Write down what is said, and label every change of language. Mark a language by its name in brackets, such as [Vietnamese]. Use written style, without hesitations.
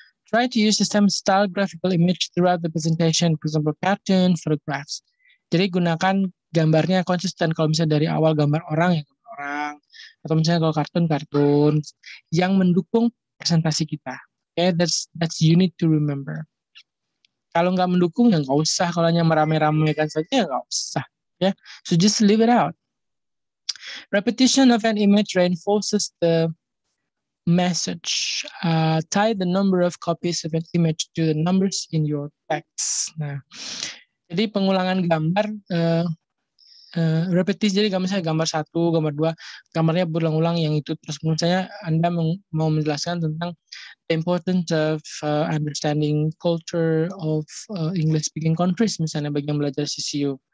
[English] Try to use the same style graphical image throughout the presentation. For example, cartoon, photographs. [Indonesian] Jadi gunakan gambarnya konsisten. Kalau misalnya dari awal gambar orang, ya gambar orang. Atau misalnya kalau kartun, kartun. Yang mendukung presentasi kita. [English] Okay, that's you need to remember. [Indonesian] Kalau nggak mendukung, ya nggak usah. Kalau hanya merame-ramekan saja, ya nggak usah. [English] Yeah? So just leave it out. Repetition of an image reinforces the message. Tie the number of copies of an image to the numbers in your text. [Indonesian] Nah, jadi pengulangan gambar, repetisi. Jadi misalnya gambar 1, gambar 2, gambarnya berulang-ulang yang itu. Terus misalnya Anda mau menjelaskan tentang [English] the importance of understanding culture of English speaking countries, [Indonesian] misalnya bagi yang belajar CCU.